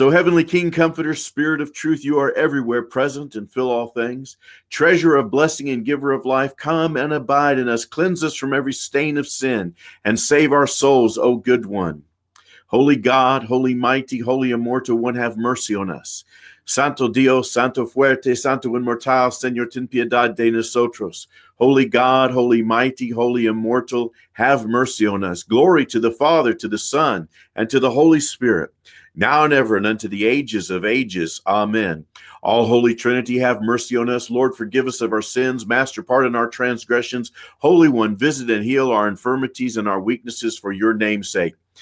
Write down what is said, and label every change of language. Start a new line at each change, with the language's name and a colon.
English: O Heavenly King, Comforter, Spirit of Truth, you are everywhere present and fill all things. Treasure of blessing and giver of life, come and abide in us. Cleanse us from every stain of sin and save our souls, O good one. Holy God, holy mighty, holy immortal one, have mercy on us.
Spanish: Santo Dios, Santo Fuerte, Santo Inmortal, Señor, ten piedad de nosotros.
English: Holy God, holy mighty, holy immortal, have mercy on us. Glory to the Father, to the Son, and to the Holy Spirit, now and ever and unto the ages of ages. Amen. All Holy Trinity, have mercy on us. Lord, forgive us of our sins. Master, pardon our transgressions. Holy One, visit and heal our infirmities and our weaknesses for your name's sake.